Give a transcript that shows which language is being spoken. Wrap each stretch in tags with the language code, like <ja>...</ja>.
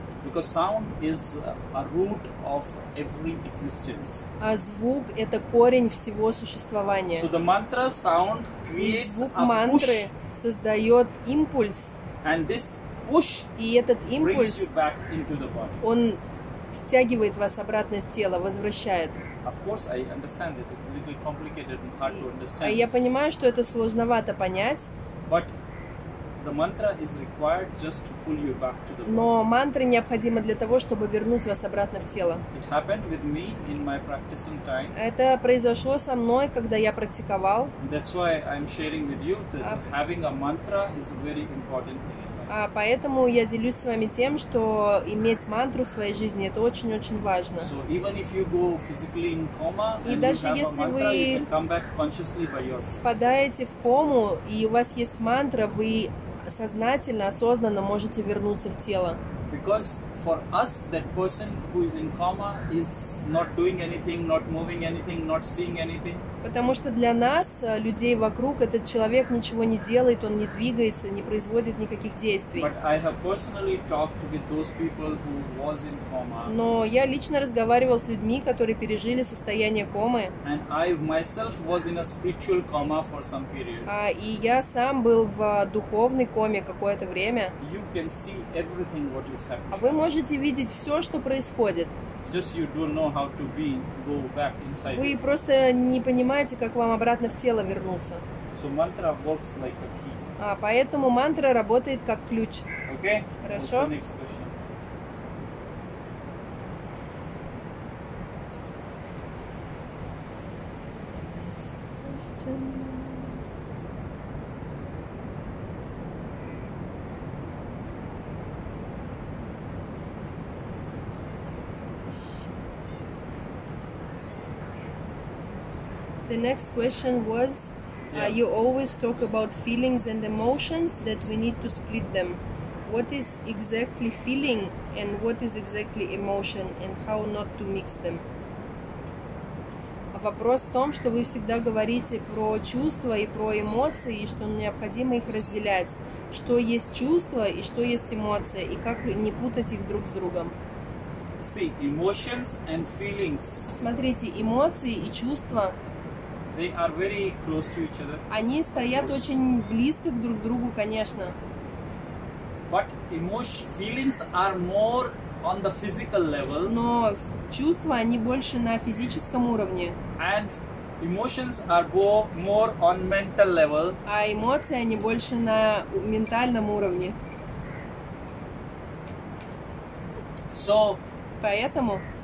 <en>Because sound is a root of every existence.</en> <ru>А звук — это корень всего существования.</ru> <en>So the mantra sound creates a push.</en> <ru>И звук мантры создает импульс.</ru> <en>And this push</en> <ru>и этот импульс</ru> <en>brings you back into the body.</en> <ru>Он втягивает вас обратно в тело, возвращает.</ru> <en>Of course, I understand it. It's a little complicated and hard to understand.</en> <ru>А я понимаю, что это сложновато понять.</ru> <en>But the mantra is required just to pull you back to the body.</en> <ru>Но мантра необходима для того, чтобы вернуть вас обратно в тело.</ru> <en>It happened with me in my practicing time.</en> <ru>Это произошло со мной, когда я практиковал.</ru> <en>That's why I'm sharing with you that having a mantra is a very important thing.</en> <ru>Поэтому я делюсь с вами тем, что иметь мантру в своей жизни это очень-очень важно.</ru> <en>So even if you go physically in coma,</en> <ru>и даже если вы впадаете в кому и у вас есть мантра, вы сознательно, осознанно можете вернуться в тело.</ru> <en>Because for us that person who is in coma is not doing anything, not moving anything, not seeing anything.</en> <ru>Потому что для нас, людей вокруг, этот человек ничего не делает, он не двигается, не производит никаких действий.</ru> <en>But I have personally talked with those people who was in coma.</en> <ru>Но я лично разговаривал с людьми, которые пережили состояние комы.</ru> <en>And I myself was in a spiritual coma for some period.</en> <ru>И я сам был в духовной коме какое-то время.</ru> <en>You can see everything what is happening.</en> <ru>Вы можете видеть все, что происходит.</ru> <en>Just you don't know how to be go back inside.</en> <ru>Вы просто не понимаете, как вам обратно в тело вернуться.</ru> <en>So mantra works like a key.</en> <ru>Поэтому мантра работает как ключ.</ru> <en>Okay.</en> <ru>Хорошо.</ru> <en>What's the next question? The next question was, you always talk about feelings and emotions, that we need to split them. What is exactly feeling and what is exactly emotion, and how not to mix them?</en> <ru>Вопрос в том, что вы всегда говорите про чувства и про эмоции, и что необходимо их разделять. Что есть чувство и что есть эмоция, и как не путать их друг с другом.</ru> <en>See, emotions and feelings.</en> <ru>Смотрите, эмоции и чувства,</ru> <en>they are very close to each other.</en> <ru>Они стоят очень близко друг к другу, конечно.</ru> <en>But feelings are more on the physical level.</en> <ru>Но чувства, они больше на физическом уровне.</ru> <en>And emotions are more on mental level.</en> <ru>А эмоции, они больше на ментальном уровне.</ru> <en>So,</en> <ru>поэтому</ru>